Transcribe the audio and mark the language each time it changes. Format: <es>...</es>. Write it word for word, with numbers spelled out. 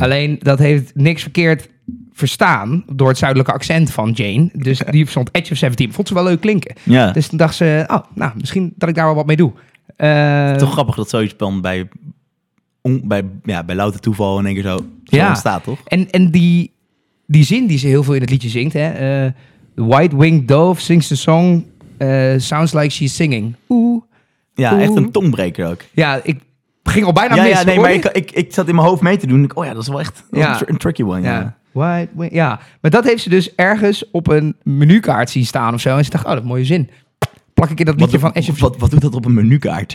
<nl>Alleen dat heeft niks verkeerd verstaan door het zuidelijke accent van Jane. Dus die stond edge of zeventien. Vond ze wel leuk klinken.</nl> <en>Yeah.</en> <nl>Dus toen dacht ze, oh, nou, misschien dat ik daar wel wat mee doe. Uh, Toch grappig dat zoiets dan bij... Bij, ja, bij louter toeval in één keer zo, zo ja. ontstaat, toch? En, en die, die zin die ze heel veel in het liedje zingt, hè?</nl> <en>Uh, the white-winged dove sings the song, uh, sounds like she's singing.</en> <nl>Oeh. Ja, oeh. Echt een tongbreker ook. Ja, ik ging al bijna ja, mis. Ja, nee, maar ik, ik, ik zat in mijn hoofd mee te doen. Ik, oh ja, dat is wel echt ja. een, tr- een</nl> <en>tricky one.</en> <nl>Ja. Ja. White-winged, ja, maar dat heeft ze dus ergens op een menukaart zien staan of zo. En ze dacht, oh, dat is een mooie zin. Plak ik in dat liedje wat, van... Wat, wat, wat doet dat op een menukaart?</nl>